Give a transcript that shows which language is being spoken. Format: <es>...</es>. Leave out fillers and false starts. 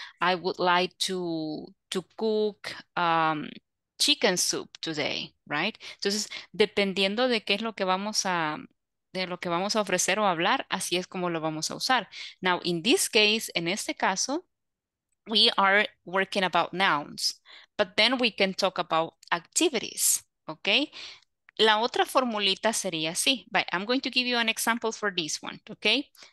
<en>I would like to cook chicken soup today, ¿right?</en> <es>Entonces, dependiendo de qué es lo que vamos a... de lo que vamos a ofrecer o hablar, así es como lo vamos a usar.</es> <en>Now, in this case,</en> <es>en este caso,</es> <en>we are working about nouns, but then we can talk about activities, okay?</en> <es>La otra formulita sería así,</es> <en>but I'm going to give you an example for this one, okay?</en>